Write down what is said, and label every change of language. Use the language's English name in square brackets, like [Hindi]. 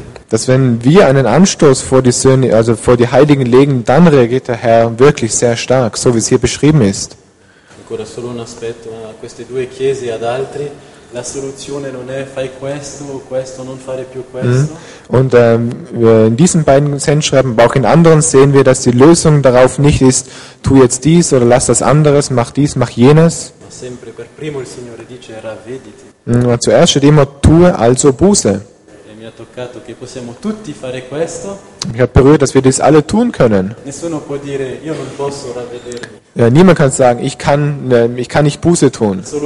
[German] Dass wenn wir einen Anstoß vor die Söhne, also vor die Heiligen legen, dann reagiert der Herr wirklich sehr stark, so wie es hier beschrieben ist. [Italian] Ancora solo un aspetto a queste due chiese ad altri. La soluzione non è fai questo, questo non fare più questo. [German] Und in diesen beiden Sendschreiben, aber auch in anderen, sehen wir, dass die Lösung darauf nicht ist, tu jetzt dies oder lass das anderes, mach dies, mach jenes. [Italian] Ma sempre per primo il Signore dice ravvediti. [German] Zuerst steht immer tue also Buße. [Italian] E mi ha toccato che possiamo tutti fare questo. [German] Mich hat berührt, dass wir das alle tun können. [Italian] Nessuno può dire io non posso ravvedermi. [German] Ja, niemand kann sagen, ich kann nicht Buße tun.